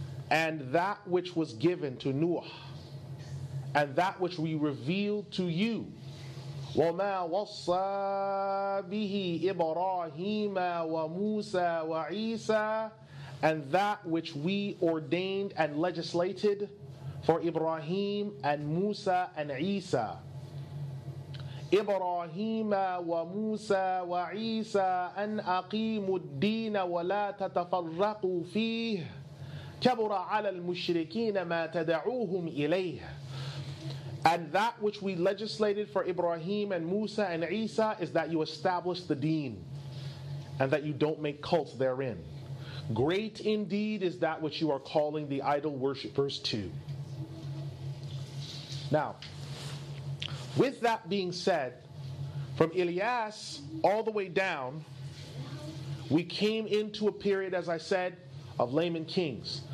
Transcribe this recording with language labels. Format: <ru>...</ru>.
<en>And that which was given to Nuh, and that which we revealed to you.</en> <ar>وَمَا وَصَّى بِهِ إِبْرَاهِيمَ وَمُوسَى وَعِيسَى.</ar> <en>And that which we ordained and legislated for Ibrahim and Musa and Isa.</en> <ar>إبراهيم وموسى وعيسى أن أقيموا الدين ولا تتفرقوا فيه كبر على المشركين ما تدعوهم إليه.</ar> <en>And that which we legislated for Ibrahim and Musa and Isa is that you establish the deen and that you don't make cults therein. Great indeed is that which you are calling the idol worshippers to. Now, with that being said, from Ilyas all the way down, we came into a period, as I said, of layman kings.</en>